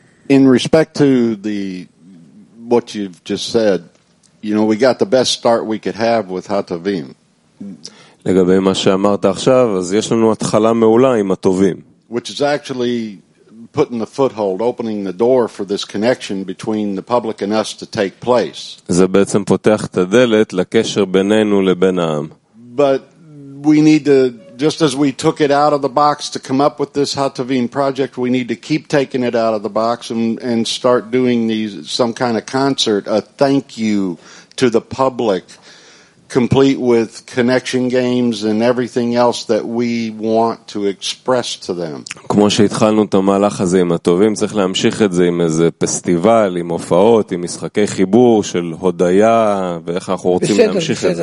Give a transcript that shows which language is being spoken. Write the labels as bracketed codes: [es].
[en] In respect to the what you've just said, you know, we got the best start we could have with Hatovim. [he] לגבי מה שאמרת עכשיו, אז יש לנו התחלה מעולה עם הטובים. [en] Which is actually putting the foothold, opening the door for this connection between the public and us to take place. [he] זה בעצם פותח את הדלת לקשר בינינו לבין העם. [en] But we need to, just as we took it out of the box to come up with this Hatovim project, we need to keep taking it out of the box and start doing these, some kind of concert, a thank you to the public, complete with connection games and everything else that we want to express to them. [he] כמו שהתחלנו את המהלך הזה עם הטובים, צריך להמשיך את זה עם איזה פסטיבל, עם הופעות, עם משחקי חיבור של הודיה, ואיך אנחנו רוצים להמשיך את זה.